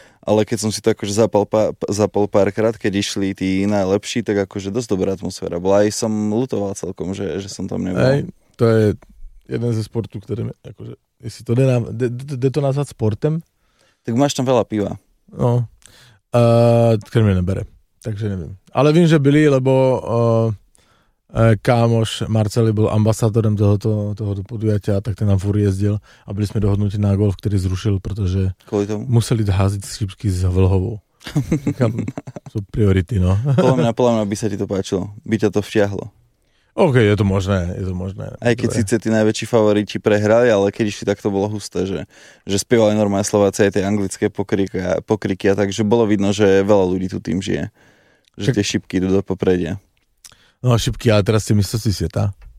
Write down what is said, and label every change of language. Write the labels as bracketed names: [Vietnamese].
[Slovak] Ale keď som si to akože zapal párkrát, keď išli tí najlepší, tak akože dosť dobrá atmosféra bola. Aj som lutoval celkom, že som tam nebol. [Czech] Aj, to je jeden ze sportu, ktorý mi, akože, jestli to jde to nazvať sportem? [Slovak] Tak máš tam veľa piva. No, ktorý mi nebere, takže neviem. [Czech] Ale vím, že byli, lebo kámoš Marceli byl ambasátorem tohoto podujatia, tak ten nám furt jezdil a byli jsme dohodnutí na golf, který zrušil, protože museli házit šipky s Vlhovou. Jsou priority, no. Podle mě by se ti to páčilo, by tě to vtiahlo. [Slovak] OK, je to možné, je to možné. Aj keď síce tí najväčší favoriti prehrali, ale keď išli, tak to bolo husté, že spievali normálne Slováci aj tie anglické pokryky a tak, že bolo vidno, že veľa ľudí tu tým žije. Že tak, tie šipky idú do popredia. No a šipky, ale teraz tie mistrovství sveta.